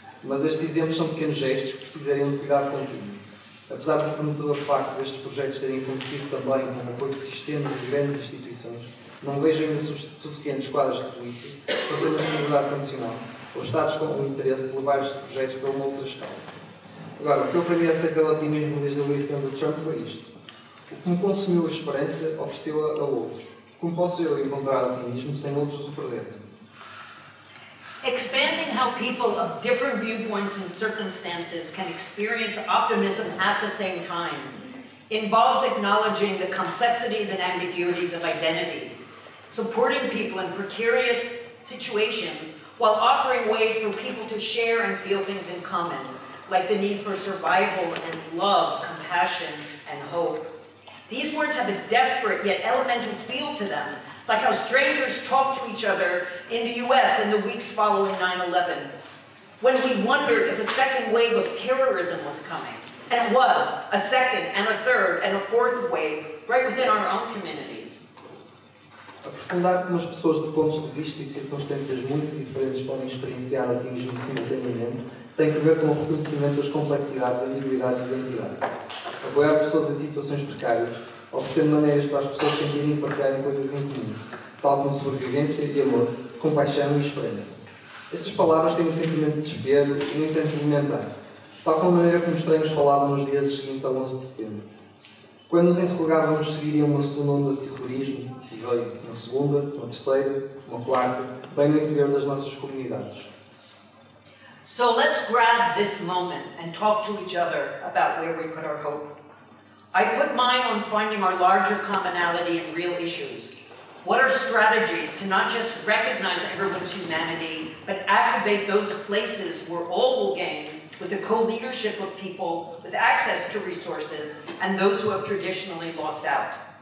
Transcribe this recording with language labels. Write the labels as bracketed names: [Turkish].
[Portuguese] Mas estes exemplos são pequenos gestos que precisariam de cuidado contínuo. Apesar do prometedor facto destes projetos terem acontecido também com o apoio de sistemas e grandes instituições, não vejo ainda suficientes quadras de polícia para termos uma liberdade condicional, ou Estados com o interesse de levar estes projetos para uma outra escala. Agora, o que eu aprendi acerca do otimismo desde a eleição do Trump foi isto. O que me consumiu a esperança ofereceu-a a outros. Como posso eu encontrar otimismo sem outros o perderem? [English] Expanding how people of different viewpoints and circumstances can experience optimism at the same time involves acknowledging the complexities and ambiguities of identity, supporting people in precarious situations while offering ways for people to share and feel things in common, like the need for survival and love, compassion, and hope. These words have a desperate yet elemental feel to them, like how strangers talk to each other in the US in the weeks following 9/11. When we wondered if a second wave of terrorism was coming, and it was, a second and a third and a fourth wave right within our own communities. [Portuguese] Aprofundar como as pessoas de pontos de vista e circunstâncias muito diferentes podem experienciar otimismo simultaneamente tem que ver com o reconhecimento das complexidades e ambiguidades de identidade. Apoiar pessoas em situações precárias, oferecendo maneiras para as pessoas sentirem e partilharem coisas em comum, tal como sobrevivência e amor, compaixão e esperança. Estas palavras têm um sentimento de desespero e, no entanto, alimentar, tal como a maneira como os estranhos falavam nos dias seguintes ao 11 de setembro. Quando nos interrogávamos se viria uma segunda onda de terrorismo, e veio uma segunda, uma terceira, uma quarta, bem no interior das nossas comunidades. [English] So let's grab this moment and talk to each other about where we put our hope. I put mine on finding our larger commonality in real issues. What are strategies to not just recognize everyone's humanity, but activate those places where all will gain with the co-leadership of people with access to resources and those who have traditionally lost out?